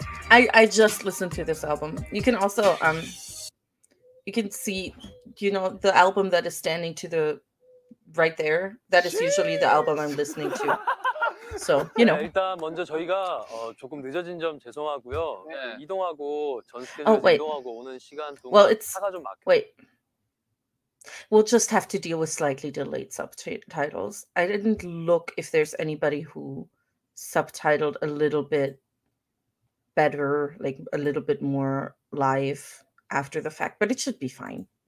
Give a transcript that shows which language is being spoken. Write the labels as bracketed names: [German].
[English] I just listened to this album. You can also, you can see, you know, the album that is standing to the right there. That is usually the album I'm listening to. So, you know. [Korean] 네, 일단 먼저 저희가 조금 늦어진 점 죄송하고요. 네. 이동하고 전 이동하고 오는 시간 동안 [English] well, [Korean] 차가 좀 막혀. [English] Wait. We'll just have to deal with slightly delayed subtitles. I didn't look if there's anybody who subtitled a little bit better, like a little bit more live after the fact, but it should be fine.